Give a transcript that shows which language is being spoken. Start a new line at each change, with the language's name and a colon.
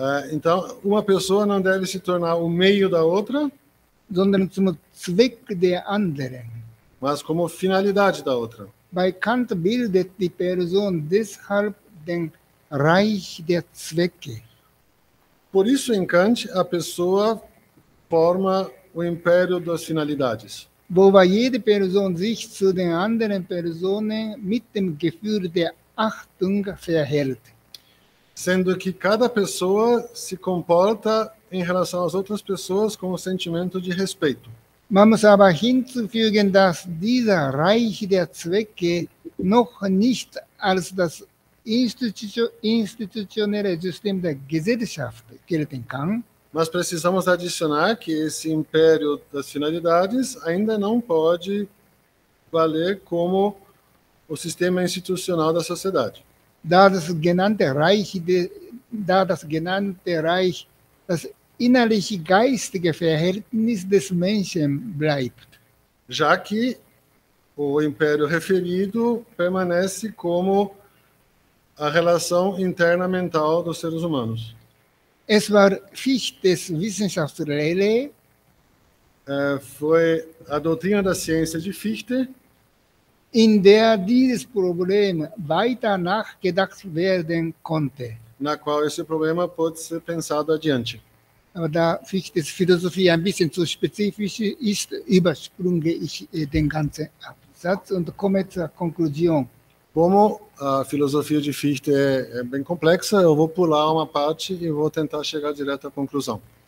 Portuguese: Então, uma pessoa não deve se tornar o meio da outra,
German: sondern zum Zweck der anderen,
Portuguese: mas como finalidade da outra.
German: Bei Kant bildet die Person deshalb den Reich der Zwecke.
Portuguese: Por isso, em Kant, a pessoa forma o império das finalidades.
German: Wobei jede Person sich zu den anderen Personen mit dem Gefühl der Achtung verhält.
Portuguese: Sendo que cada pessoa se comporta em relação às outras pessoas com o sentimento de respeito.
German: Man muss aber hinzufügen, dass dieser Reich der Zwecke noch nicht als das institutionelle System der Gesellschaft gelten kann.
Portuguese: Nós precisamos adicionar que esse império das finalidades ainda não pode valer como o sistema institucional da sociedade.
German: Da das genannte Reich, das innerliche geistige Verhältnis des Menschen bleibt.
Portuguese: Já que o império referido permanece como a relação interna mental dos seres humanos.
German: Es war Fichtes Wissenschaftslehre.
Portuguese: Foi a doutrina da ciência de Fichte,
German: in der dieses Problem weiter nachgedacht werden konnte.
Portuguese: Na qual esse problema pode ser pensado adiante.
German: Aber da Fichtes Philosophie ein bisschen zu spezifisch ist, übersprunge ich den ganzen Absatz und komme zur Konklusion.
Portuguese: Como a filosofia de Fichte é bem complexa, eu vou pular uma parte e vou tentar chegar direto à conclusão.